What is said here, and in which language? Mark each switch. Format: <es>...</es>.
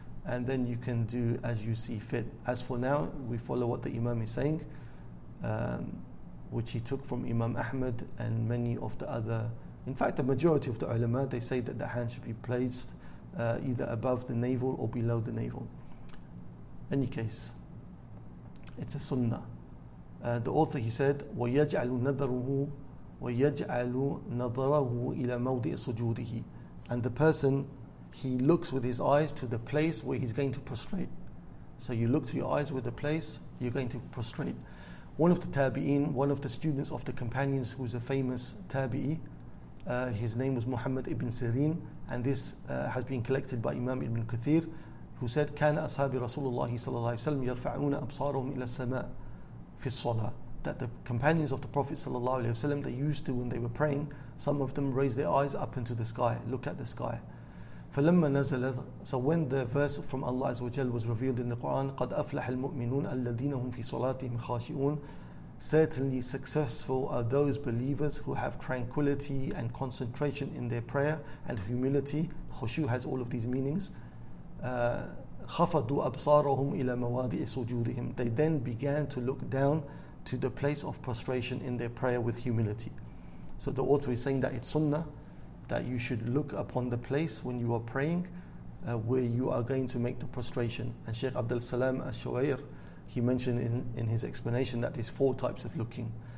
<en>And then you can do as you see fit. As for now, we follow what the Imam is saying, which he took from Imam Ahmad and many of the other. In fact, the majority of the ulama, they say that the hand should be placed either above the navel or below the navel. Any case, it's a sunnah. The author, he said,</en> <ar>وَيَجْعَلُ نَذَرُهُ وَيَجْعَلُ نَذَرَهُ إِلَى مَوْضِئِ سُجُودِهِ.</ar> <en>And the person, he looks with his eyes to the place where he's going to prostrate. So you look to your eyes with the place, you're going to prostrate. One of the tabi'een, one of the students of the companions, who's a famous tabi'i, his name was Muhammad ibn Sirin, and this has been collected by Imam ibn Kathir, who said,</en> <ar>كان أصحاب رسول الله صلى الله عليه وسلم يرفعون أبصارهم إلى السماء في الصلاة.</ar> <en>That the companions of the Prophet</en> <ar>صلى الله عليه وسلم,</ar> <en>they used to, when they were praying, some of them raised their eyes up into the sky, look at the sky.</en> <ar>فلما نزل,</ar> <en>so when the verse from Allah عز وجل was revealed in the Quran,</en> <ar>قد أفلح المؤمنون الذين هم في صلاتهم خاشعون.</ar> <en>Certainly successful are those believers who have tranquility and concentration in their prayer and humility. Khushu has all of these meanings.</en> <ar>خفضوا أبصارهم إلى مواضع سجودهم.</ar> <en>They then began to look down to the place of prostration in their prayer with humility. So the author is saying that it's sunnah that you should look upon the place when you are praying where you are going to make the prostration. And Shaykh Abdul Salam Al-Shawair, he mentioned in his explanation that there's four types of looking.</en>